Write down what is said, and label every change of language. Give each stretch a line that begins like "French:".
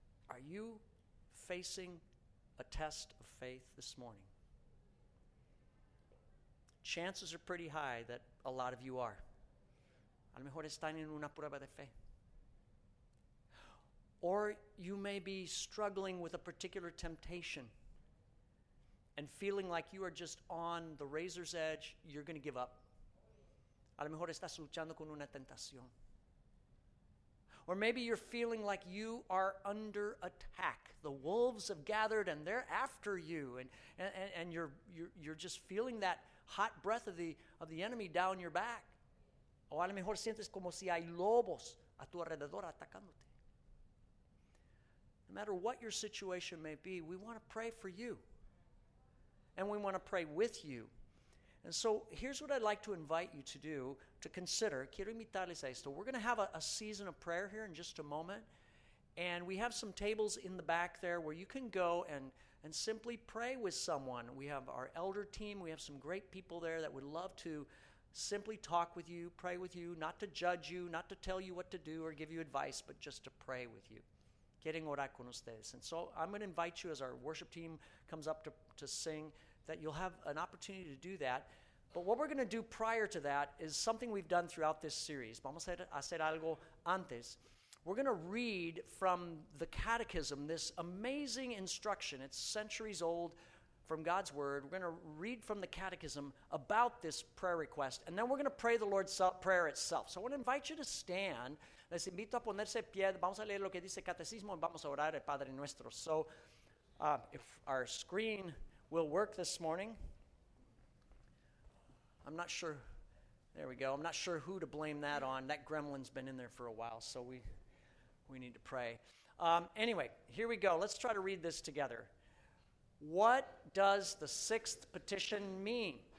English: Are you facing a test of faith this morning? Chances are pretty high that a lot of you are.
Spanish: A lo mejor están en una prueba de fe.
English: Or you may be struggling with a particular temptation and feeling like you are just on the razor's edge, you're going to give up.
Spanish: A lo mejor estás luchando con una tentación.
English: Or maybe you're feeling like you are under attack. The wolves have gathered and they're after you. And you're just feeling that hot breath of the enemy down your back.
Spanish: O a lo mejor sientes como si hay lobos a tu alrededor atacándote.
English: No matter what your situation may be, we want to pray for you. And we want to pray with you. And so here's what I'd like to invite you to do, to consider.
Spanish: Quiero invitarles a esto.
English: We're going to have a season of prayer here in just a moment. And we have some tables in the back there where you can go and simply pray with someone. We have our elder team. We have some great people there that would love to simply talk with you, pray with you, not to judge you, not to tell you what to do or give you advice, but just to pray with you.
Spanish: Quieren orar con ustedes.
English: And so I'm going to invite you as our worship team comes up to sing, that you'll have an opportunity to do that. But what we're going to do prior to that is something we've done throughout this series.
Spanish: Vamos a hacer algo antes.
English: We're going to read from the Catechism, this amazing instruction. It's centuries old from God's Word. We're going to read from the Catechism about this prayer request, and then we're going to pray the Lord's Prayer itself. So I want to invite you to stand.
Spanish: Les invito a ponerse pie. Vamos a leer lo que dice el Catecismo, y vamos a orar el Padre Nuestro.
English: So if our screen will work this morning. I'm not sure. There we go. I'm not sure who to blame that on. That gremlin's been in there for a while, so we need to pray. Anyway, here we go. Let's try to read this together. What does the sixth petition mean?